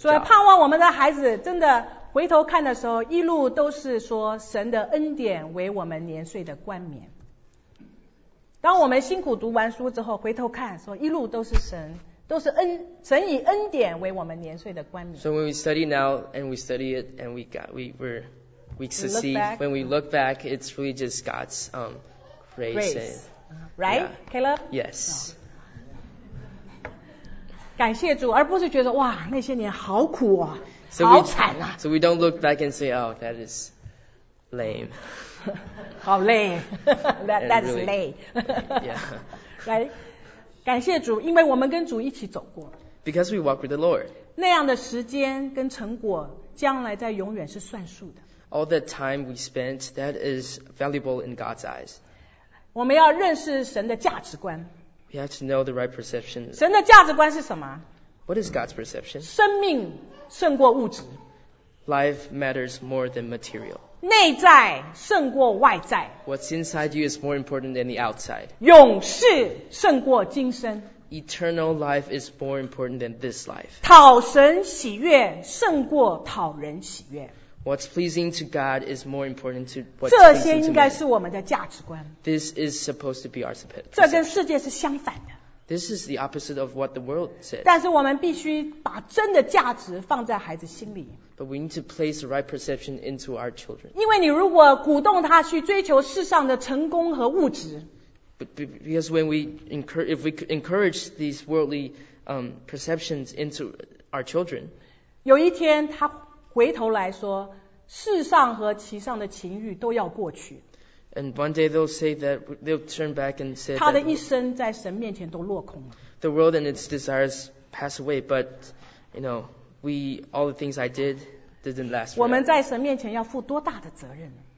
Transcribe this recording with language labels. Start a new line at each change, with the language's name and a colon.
Chinese: 所以盼望我们的孩子真的回头看的时候，一路都是说神的恩典为我们年岁的冠冕。当我们辛苦读完书之后，回头看，说一路都是神。都是恩典为我们年岁的冠冕。
English: So when we study now and we study it and we succeed, when we look back, it's really just God's grace. Grace. Right, yeah. Caleb? Yes.
Chinese: 感谢主，而不是觉得哇，那些年好苦啊，好惨啊。
English: So we don't look back and say, oh, that is lame. How lame. That's lame. Yeah. Right?
Chinese: 感谢主, 因为我们跟主一起走过,
English: because we walk with the Lord.
Chinese: 那样的时间跟成果, 将来在永远是算数的,
English: all the time we spent, that is valuable in God's eyes.
Chinese: 我们要认识神的价值观,
English: we have to know the right perception.
Chinese: 神的价值观是什么?
English: What is God's perception?
Chinese: 生命胜过物质,
English: life matters more than material.
Chinese: 内在胜过外在,
English: what's inside you is more important than the outside.
Chinese: 永世胜过今生,
English: eternal life is more important than this life.
Chinese: 讨神喜悦胜过讨人喜悦,
English: what's pleasing to God is more important to what's
Chinese: 这些应该是我们的价值观,
English: this is supposed to be our perception.
Chinese: 这跟世界是相反的,
English: this is the opposite of what the world says.
Chinese: 但是我们必须把真的价值放在孩子心里,
English: but we need to place the right perception into our children.
Chinese: 因为你如果鼓动他去追求世上的成功和物质,
English: because when we encourage, if we encourage these worldly perceptions into our children,
Chinese: 有一天他回头来说, 世上和其上的情欲都要过去,
English: and one day they'll say that, they'll turn back and say,
Chinese: 他的一生在神面前都落空了,
English: the world and its desires pass away, but you know, we, all the things I did didn't last forever.
Chinese: 我们在神面前要负多大的责任,